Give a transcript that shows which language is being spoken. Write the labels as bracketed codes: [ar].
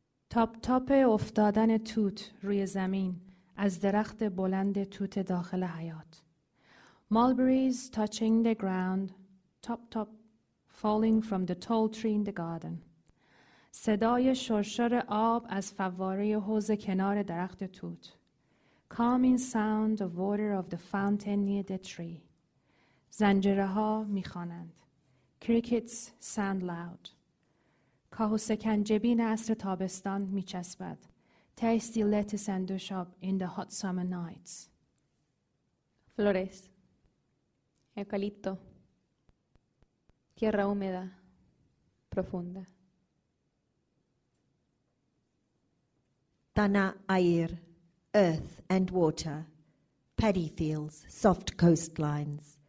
[fa] تاپ تاپ افتادن توت روی زمین از درخت بلند توت داخل حیات. [en] Mulberries touching the ground, top top, falling from the tall tree in the garden. [fa] صدای شرشر آب از فواره حوض کنار درخت توت. [en] Calming sound of water of the fountain near the tree. [fa] زنجره ها می خوانند. [en] Crickets sound loud. [fa] کاه و سکنجبین عصر تابستان می چسبد. [en] Tasty lettuce and doushab in the hot summer nights. [es] Flores. Eucalipto. Tierra húmeda. Profunda. [id] Tana air. [en] Earth and water. Paddy fields, soft coastlines.